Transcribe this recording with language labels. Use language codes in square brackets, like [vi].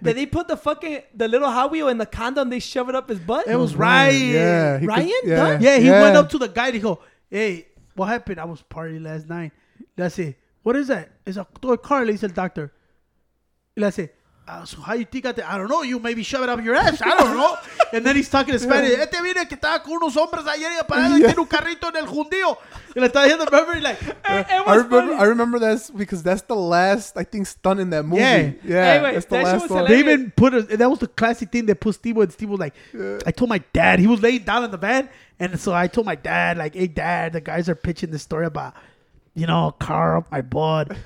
[en] Did they put the fucking, the little hot wheel in the condom, they shove it up his butt? It was Ryan. Ryan Dunn? He went up to the guy and he go, hey, what happened? I was partying last night. That's it. What is that? It's a toy car, he said, doctor. let's say, so how you think I think? I don't know. You maybe shove it up your ass. I don't know. And then he's talking in Spanish. [es] Este viene que estaba con unos hombres ayer y parado y tiene un carrito en el jundío. Y le estaba diciendo, [en] remember, like, I remember that because that's the last, I think, stunt in that movie. Yeah. Anyway, that's the last one. They even put, that was the classic thing that put Steve-O, and Steve-O was like, I told my dad, he was laying down in the van. And so I told my dad, like, hey, dad, the guys are pitching this story about, you know, car up my butt.